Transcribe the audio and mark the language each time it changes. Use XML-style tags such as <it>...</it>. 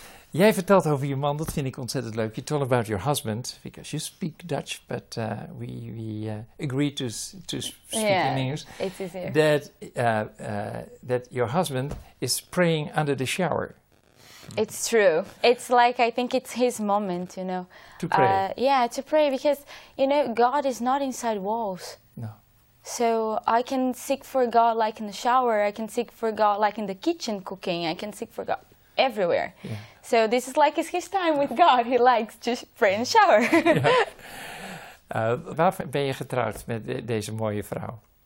<nl>Jij vertelt over je man, dat vind ik ontzettend leuk.</nl> <en>You told about your husband, because you speak Dutch, but we agreed to speak in English. Yeah, it's easier. That your husband is praying under the shower. It's true. It's like, I think it's his moment, you know. To pray. To pray, because, you know, God is not inside walls. So I can seek for God like in the shower, I can seek for God like in the kitchen cooking, I can seek for God everywhere. Yeah. So this is like his time with God, he likes to pray in the shower. Yeah.</en> <nl>Waar ben je getrouwd met deze mooie vrouw?</nl>